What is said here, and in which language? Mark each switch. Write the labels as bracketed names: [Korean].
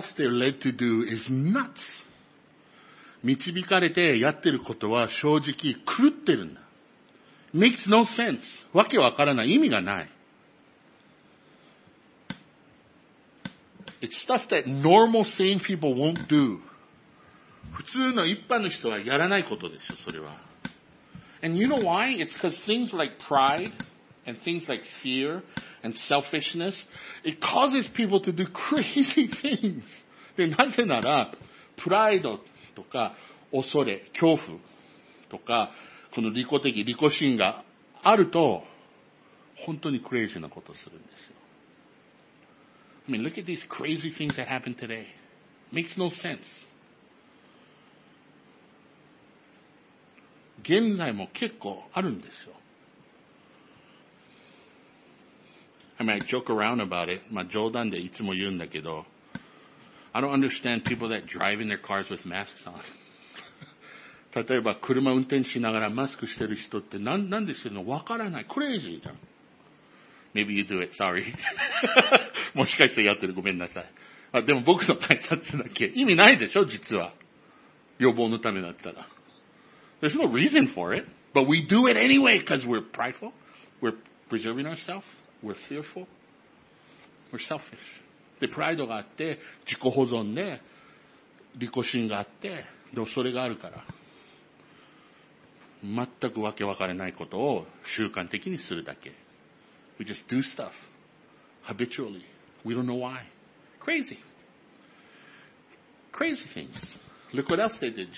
[English] The stuff they're led to do is nuts. [Japanese] 導かれてやってることは正直狂ってるんだ。 [English] Makes no sense. [Japanese] わけわからない。意味がない。 [English] It's stuff that normal sane people won't do. [Japanese] 普通の一般の人はやらないことでしょ、それは。 [English] And you know why? It's because things like pride and things like fear and selfishness, it causes people to do crazy things. [Japanese] で、なぜなら、プライド、とか恐れ恐怖とかこの利己的利己心があると本当にクレイジーなことをするんですよ。 [English] I mean, look at these crazy things that happen today. Makes no sense. [Japanese] 現在も結構あるんですよ。 [English] I mean, I joke around about it. [Japanese] まあ冗談でいつも言うんだけど。 [English] I don't understand people that drive in their cars with masks on. [Japanese] 例えば車運転しながらマスクしてる人ってなんでしてるの？わからない。クレイジーじゃん。 [English] Maybe you do it. Sorry. [Japanese] もしかしてやってる。ごめんなさい。あ、でも僕の対策だけ意味ないでしょ、実は。予防のためだったら。 [English] There's no reason for it. But we do it anyway because we're prideful. We're preserving ourselves. We're fearful. We're selfish. [Japanese] で、プライドがあって、自己保存で、利己心があって、で、恐れがあるから、全くわけ分からないことを習慣的にするだけ。 [English] We just do stuff. Habitually. We don't know why. Crazy. Crazy things. Look what else they did.